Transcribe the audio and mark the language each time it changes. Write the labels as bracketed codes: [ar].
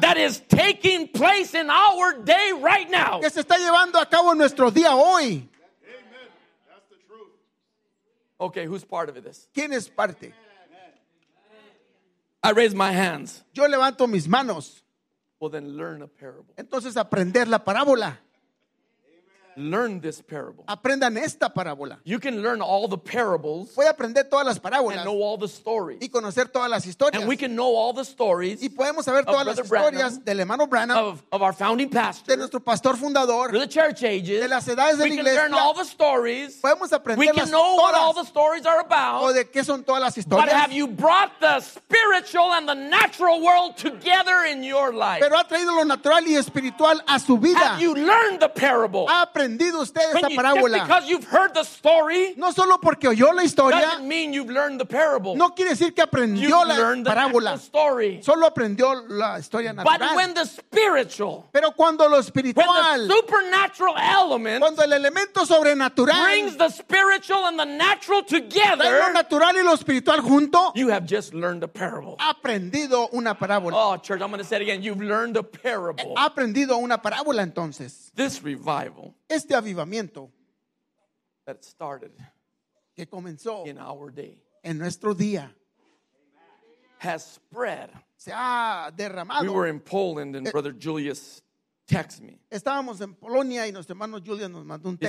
[en] That is taking place in our day right now. [es] Que se está llevando a cabo en nuestro día hoy. [en] Amen. That's the truth. Okay, who's part of this? [es] ¿Quién es parte? [en] I raise my hands. [es] Yo levanto mis manos. [en] Well, then learn a parable. [es] Entonces aprender la parábola. [en] Learn this parable. [es] Aprendan esta parábola. [en] You can learn all the parables. [es] Puede aprender todas las parábolas. [en] And know all the stories. [es] Y conocer todas las historias. [en] And we can know all the stories. [es] Y podemos saber todas las historias del hermano Branham. [en] Of our founding pastor. [es] De nuestro pastor fundador. [en] Through the church ages. [es] De las edades de la iglesia. [en] We can learn all the stories. [es] Podemos aprender todas. [en] We can know what all the stories are about. [es] O de qué son todas las historias. [en] But have you brought the spiritual and the natural world together in your life? [es] Pero ha traído lo natural y espiritual a su vida. [en] Have you learned the parable? [es] Usted esta parábola. [en] Just because you've heard the story, [es] no solo porque oyó la historia, [en] doesn't mean you've learned the parable. [es] No quiere decir que aprendió [en] you've [es] la [en] learned [es] parábola. [en] The story. [es] Solo aprendió la historia natural. [en] But when the spiritual, [es] pero cuando lo espiritual, [en] when the supernatural element, [es] cuando el elemento sobrenatural, [en] brings the spiritual and the natural together, [es] lo natural y lo espiritual junto, [en] you have just learned the parable. [es] Aprendido una parábola. [en] Oh, church, I'm going to say it again. You've learned a parable. [es] Ha aprendido una parábola entonces. [en] This revival. [es] Este avivamiento [en] that started [es] que comenzó [en] in our day [es] en nuestro día [en] has spread. [es] Se ha derramado. [en] We were in Poland and Brother Julius texted me. [es] Estábamos en Polonia y nuestro hermano Julius nos mandó un texto.